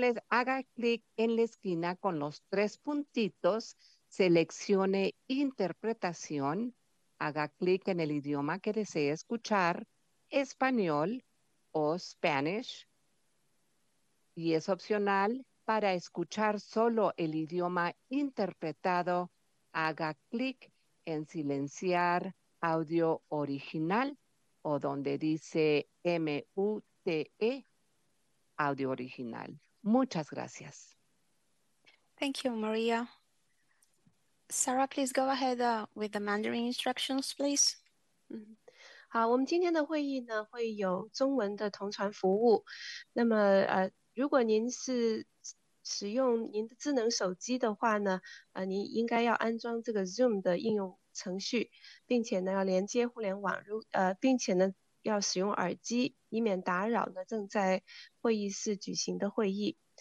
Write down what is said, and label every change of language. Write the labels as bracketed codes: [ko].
[es] Haga clic en la esquina con los tres puntitos, seleccione interpretación, haga clic en el idioma que desee escuchar, español o Spanish, y es opcional para escuchar solo el idioma interpretado, haga clic en silenciar audio original, o donde dice MUTE, audio original. Muchas gracias. [en] Thank you, Maria. Sarah, please go ahead with the Mandarin instructions, please. [zh] 好，我们今天的会议呢，会有中文的同传服务。那么，如果您是使用您的智能手机的话呢，您应该要安装这个 Zoom 的应用程序，并且呢要连接互联网，并且呢要使用耳机，以免打扰呢正在会议室举行的会议。